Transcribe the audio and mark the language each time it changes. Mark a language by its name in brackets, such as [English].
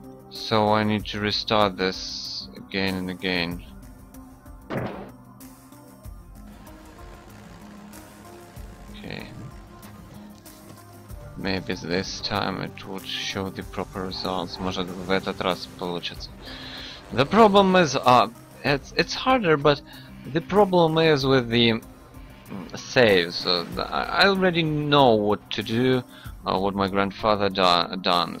[English] So I need to restart this again and again. Okay. Maybe this time it would show the proper results. [Russian] Может в этот раз получится. [English] The problem is, it's harder, but the problem is with the saves. I already know what to do, what my grandfather done.